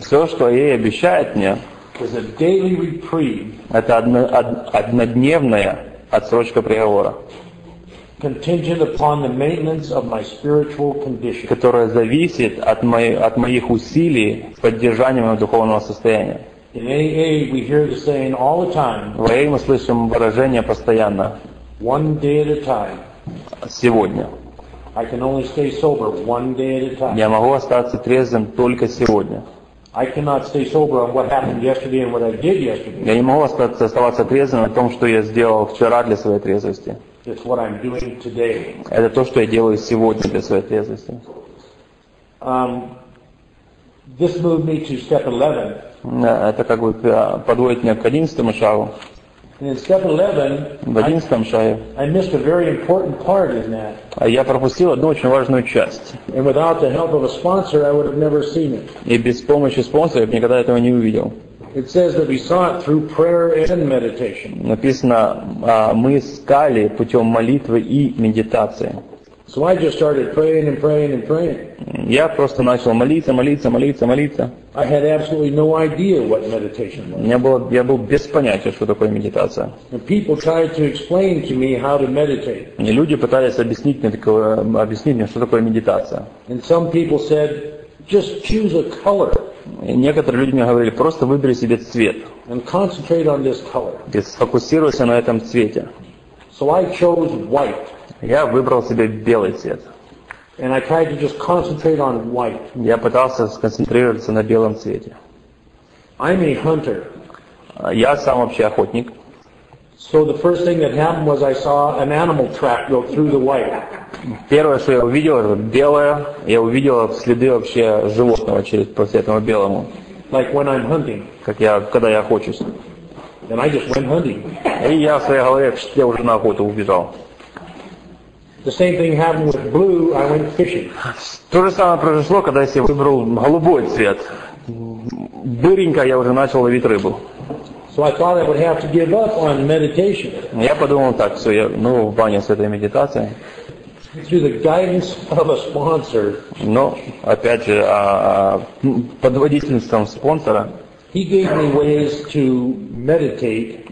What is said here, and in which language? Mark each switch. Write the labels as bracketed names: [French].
[Russian] все, что AA обещает мне, [English] is a daily reprieve, [Russian] это однодневная отсрочка приговора. [English] Contingent upon the maintenance of my spiritual condition, [Russian] которая зависит от моих усилий в поддержании моего духовного состояния. [English] In AA, we hear the saying all the time. [Russian] В AA мы слышим выражение постоянно. [English] One day at a time. [Russian] Сегодня. [English] I can only stay sober one day at a time. [Russian] Я могу остаться трезвым только сегодня. [English] I cannot stay sober on what happened yesterday and what I did yesterday. [Russian] Я не могу оставаться трезвым на том, что я сделал вчера для своей трезвости. [English] It's what I'm doing today. [Russian] Это то, что я делаю сегодня для своей трезвости. [English] This moved me to step 11. [Russian] Это как бы подводит меня к 11-му шагу. [English] And in step 11, [Russian] в 11-м шаге, [English] I missed a very important part in that. [Russian] Я пропустил одну очень важную часть. [English] And without the help of a sponsor, I would have never seen it. [Russian] И без помощи спонсора я бы никогда этого не увидел. [English] It says that we saw it through prayer and meditation. [Russian] Написано, мы искали путем молитвы и медитации. [English] So I just started praying and praying and praying. [Russian] Я просто начал молиться, молиться, молиться, молиться. [English] I had absolutely no idea what meditation was. [Russian] Я был без понятия, что такое медитация. [English] And people tried to explain to me how to meditate. [Russian] И люди пытались объяснить мне, что такое медитация. [English] And some people said, just choose a color. [Russian] И некоторые люди мне говорили, просто выбери себе цвет. [English] And concentrate on this color. [Russian] И сфокусируйся на этом цвете. [English] So I chose white. [Russian] Я выбрал себе белый цвет. [English] And I tried to just concentrate on white. [Russian] Я пытался сконцентрироваться на белом цвете. [English] I'm a hunter. [Russian] Я сам вообще охотник. [English] So the first thing that happened was I saw an animal track go through the white. [Russian] Первое, что я увидел, это белое. Я увидел следы вообще животного через по этому белому. [English] Like when I'm hunting. [Russian] Как я, когда я охочусь. [English] And I just went hunting. [Russian] И я в своей голове, я уже на охоту убежал. [English] The same thing happened with blue. I went fishing. [Russian] То же самое произошло, когда я себе выбрал голубой цвет. Быренько я уже начал ловить рыбу. [English] So I thought I would have to give up on meditation. [Russian] Я подумал так, что я, ну, в бане с этой медитацией. [English] Through the guidance of a sponsor. [Russian] Но, опять же, под водительством спонсора. [English] He gave me ways to meditate.